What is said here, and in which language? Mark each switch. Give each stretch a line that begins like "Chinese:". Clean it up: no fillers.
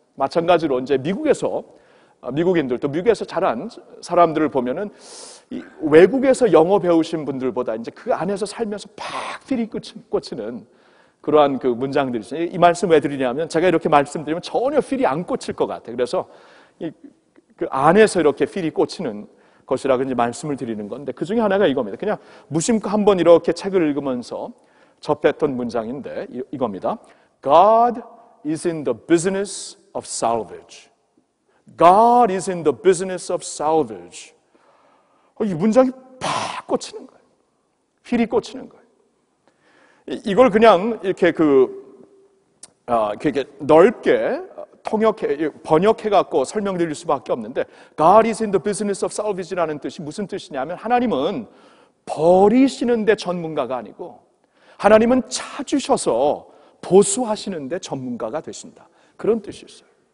Korean: 마찬가지로 이제 미국에서 미국인들 또 미국에서 자란 사람들을 보면은 이 외국에서 영어 배우신 분들보다 이제 그 안에서 살면서 팍 필이 꽂히는 그러한 그 문장들이 있어요. 이 말씀 왜 드리냐면 제가 이렇게 말씀드리면 전혀 필이 안 꽂힐 것 같아요. 그래서 이 그 안에서 이렇게 필이 꽂히는 것이라고 이제 말씀을 드리는 건데 그 중에 하나가 이겁니다. 그냥 무심코 한번 이렇게 책을 읽으면서 접했던 문장인데 이겁니다.
English: God is in the business of salvage. God is in the business of salvage.
Korean: 이 문장이 팍 꽂히는 거예요. 필이 꽂히는 거예요. 이걸 그냥 이렇게 이렇게 넓게 통역해 번역해갖고 설명드릴 수밖에 없는데
English: God is in the business of salvage
Korean: 라는 뜻이 무슨 뜻이냐면 하나님은 버리시는 데 전문가가 아니고 하나님은 찾으셔서 보수하시는 데 전문가가 되신다. 그런 뜻이 있어요.